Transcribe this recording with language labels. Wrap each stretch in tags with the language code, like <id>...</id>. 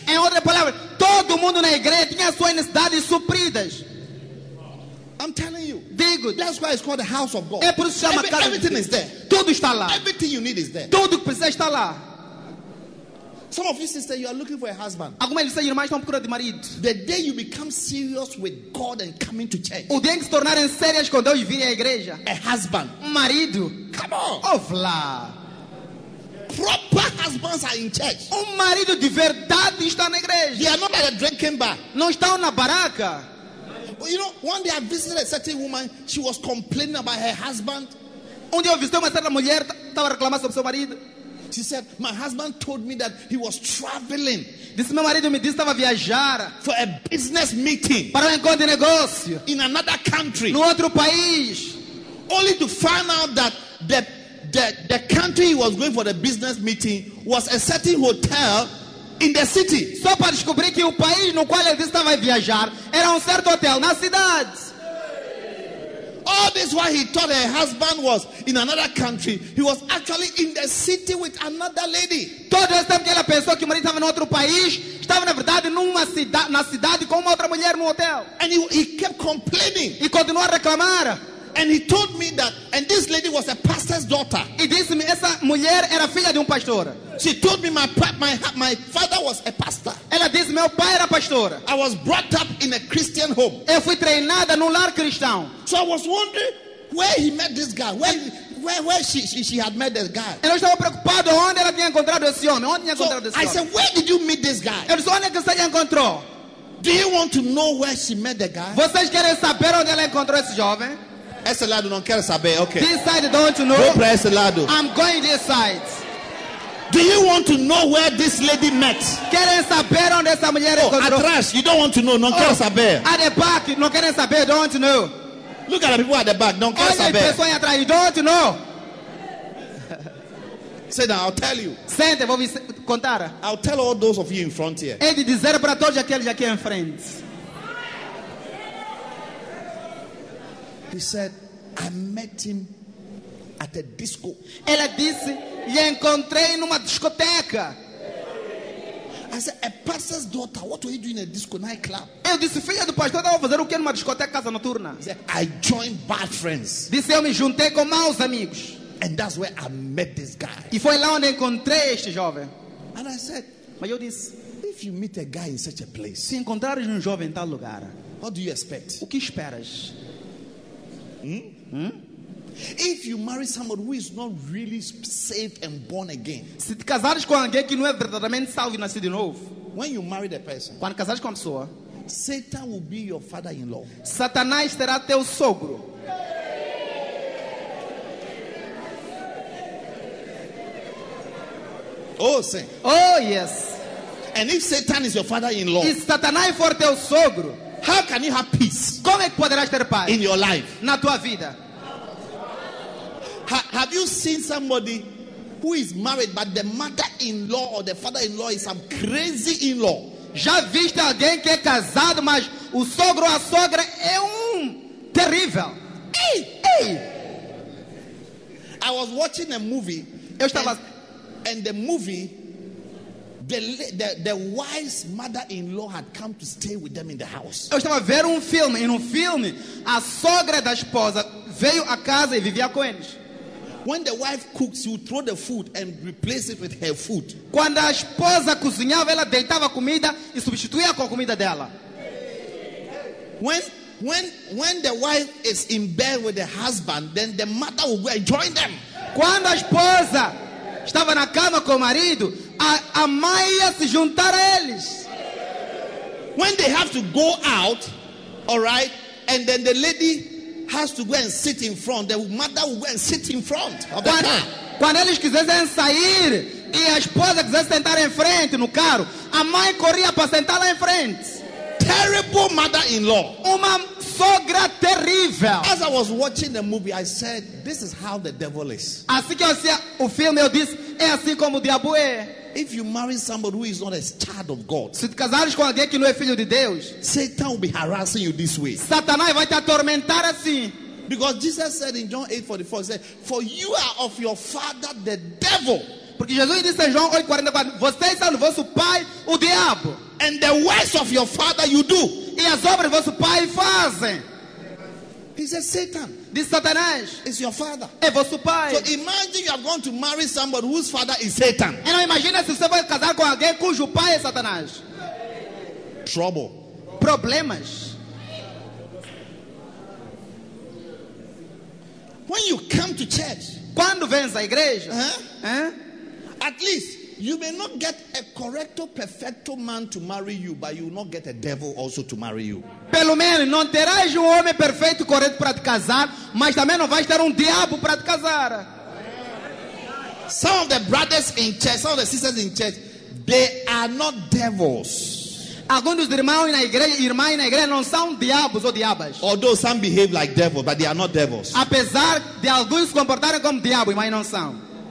<pt>Em outra palavra, todo mundo na igreja tinha suas necessidades supridas.</pt> <en>I'm telling you.</en> <pt>Digo,</pt> <en>that's why it's called the house of God.</en> <pt>É por isso que chama casa de Deus.</pt> <en>Everything is there.</en> <pt>Tudo está lá.</pt> <en>Everything you need is there.</en> <pt>Tudo que precisa está lá.</pt> <en>Some of you sisters, you are looking for a husband.</en> <pt>Algumas dizem, irmãs estão procurando marido.</pt> <en>The day you become serious with God and coming to church.</en> <pt>O dia em que se tornarem sérias com Deus e virem à igreja.</pt> <en>A husband.</en> <pt>Marido.</pt> <en>Come on. Of la. Proper husbands are in church.</en> <pt>Marido de verdade está na igreja.</pt> <en>They are not at a drinking bar.</en> <pt>Não estão na baraca.</pt> <en>You know, one day I visited a certain woman. She was complaining about her husband.</en> <pt>Um dia eu visitei uma certa mulher, estava reclamando sobre seu marido.</pt> <en>She said, my husband told me that he was traveling.</en> <pt>Disse, meu marido me disse que estava a viajar.</pt> <en>For a business meeting.</en> <pt>Para encontro de negócio.</pt> <en>In another country.</en> <pt>No outro país.</pt> <en>Only to find out that the country he was going for the business meeting was a certain hotel in the city.</en> <pt>Só para descobrir que o país no qual ele disse que estava a viajar era certo hotel na cidade.</pt> <en>All this while he thought her husband was in another country. He was actually in the city with another lady.</en> <pt>Todo esse tempo que ela pensou que o marido estava em outro país, estava na verdade na cidade com uma outra mulher no hotel.</pt> <en>And he kept complaining.</en> <pt>E continuou a reclamar.</pt> <en>And he told me that, and this lady was a pastor's daughter.</en> <pt>E disse-me, essa mulher era filha de pastor.</pt> <en>She told me my father was a pastor.</en> <pt>Ela disse, meu pai era pastor.</pt> <en>I was brought up in a Christian home.</en> <pt>Eu fui treinada no lar cristão.</pt> <en>So I was wondering where he met this guy. Where she had met this guy.</en> <pt>Eu estava preocupado onde ela tinha encontrado esse homem. Onde tinha encontrado esse homem.</pt> <en>I said, where did you meet this guy?</en> <pt>Eu disse, onde é que você encontrou?</pt> <en>Do you want to know where she met the guy?</en> <pt>Vocês querem saber onde ela encontrou esse jovem? Esse lado não quer saber, ok.</pt> <en>This side don't know.</en> <pt>Vou para esse lado.</pt> <en>I'm going this side. Do you want to know where this lady met?</en> <pt>Querem saber onde essa mulher encontrou? Atrás,</pt> <en>you don't want to know,</en> <pt>não quer saber.</pt> <en>At the back,</en> <pt>não querem saber,</pt> <en>don't want to know. Look at the people at the back, don't care saber.</en> <pt>Olha a pessoa atrás,</pt> <en>you don't want to know. Say that, I'll tell you.</en> <pt>Sente, vou contar.</pt> <en>I'll tell all those of you in front here.</en> <pt>É de dizer para todos aqueles aqui em frente.</pt> <en>He said, I met him at a disco.</en> <pt>Ela disse, lhe encontrei numa discoteca.</pt> <en>I said, a pastor's daughter, what were you doing in a disco nightclub?</en> <pt>Eu disse, filha do pastor, estava a fazer o que numa discoteca casa noturna?</pt> <en>He said, I joined bad friends.</en> <pt>Disse, eu me juntei com maus amigos.</pt> <en>And that's where I met this guy.</en> <pt>E foi lá onde encontrei este jovem.</pt> <en>And I said,</en> <pt>mas eu disse,</pt> <en>if you meet a guy in such a place,</en> <pt>se encontrares jovem em tal lugar,</pt> <en>what do you expect?</en> <pt>O que esperas?</pt> <en>If you marry someone who is not really saved and born again,</en> <pt>se te casares com alguém que não é verdadeiramente salvo e nascido de novo,</pt> <en>when you marry the person,</en> <pt>quando casares com a pessoa,</pt> <en>Satan will be your father-in-law.</en> <pt>Satanás será teu sogro. Oh, sim.</pt> <en>Oh, yes. And if Satan is your father-in-law,</en> <pt>se Satanás for teu sogro,</pt> <en>how can you have peace?</en> <pt>Como é que poderás ter paz?</pt> <en>In your life.</en> <pt>Na tua vida.</pt> <en>Have you seen somebody who is married but the mother-in-law or the father-in-law is some crazy in-law?</en> <pt>Já viste alguém que é casado, mas o sogro ou a sogra é terrível.</pt> <en>Ei, ei. I was watching a movie.</en> <pt>Eu estava</pt> <en>and the movie The wise mother-in-law had come to stay with them in the house.</en> <pt>Eu estava vendo filme, e no filme, a sogra da esposa veio à casa e vivia com eles.</pt> <en>When the wife cooks, you throw the food and replace it with her food.</en> <pt>Quando a esposa cozinhava, ela deitava comida e substituía com a comida dela.</pt> <en>When the wife is in bed with the husband, then the mother will go and join them.</en> <pt>Quando a esposa estava na cama com o marido, a mãe ia se juntar a eles.</pt> <en>When they have to go out, all right, and then the lady has to go and sit in front, the mother will go and sit in front of the car.</en> <pt>Quando eles quisessem sair e a esposa quisesse sentar em frente no carro, a mãe corria para sentar lá em frente.</pt> <en>Terrible mother-in-law.</en> <pt>Uma sogra terrível.</pt> <en>As I was watching the movie, I said, this is how the devil is.</en> <pt>Assim que eu assisti o filme, eu disse, é assim como o diabo é.</pt> <en>If you marry somebody who is not a child of God,</en> <pt>se te casares com alguém que não é filho de Deus,</pt> <en>Satan will be harassing you this way.</en> <pt>Satanás vai te atormentar assim.</pt> <en>Because Jesus said in John 8:44, he said, for you are of your father the devil.</en> <pt>Porque Jesus disse em João 8:44, vocês são do vosso pai o diabo.</pt> <en>And the works of your father you do.</en> <pt>E as obras do vosso pai fazem.</pt> <en>He said, Satan.</en> <pt>Diz Satanás.</pt> <en>Is your father.</en> <pt>É vosso pai.</pt> <en>So imagine you are going to marry somebody whose father is Satan.</en> <pt>E não imagina se você vai casar com alguém cujo pai é Satanás.</pt> <en>Trouble.</en> <pt>Problemas.</pt> <en>When you come to church.</en> <pt>Quando vens à igreja.</pt> <en>At least. You may not get a correcto, perfecto man to marry you, but you will not get a devil also to marry you.</en> <pt>Pelo menos não terás um homem perfeito, correto para te casar, mas também não vais ter um diabo para te casar.</pt> <en>Some of the brothers in church, some of the sisters in church, they are not devils.</en> <pt>Alguns dos irmãos na igreja, irmãs na igreja, não são diabos ou diabas.</pt> <en>Although some behave like devils, but they are not devils.</en> <pt>Apesar de alguns comportarem como diabo, mas não são.</pt>